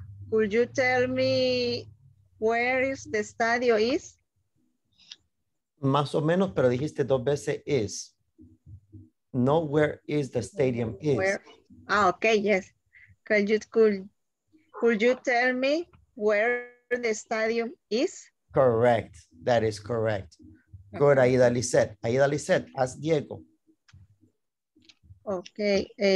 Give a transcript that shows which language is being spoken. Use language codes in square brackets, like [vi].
[en] Could you tell me where is the estadio is? [es] Más o menos, pero dijiste dos veces is. [en] No, where is the stadium is. Okay, yes. Could you tell me where the stadium is? Correct. That is correct. Good, Aida Lisette. Aida Lisette, ask Diego. Okay.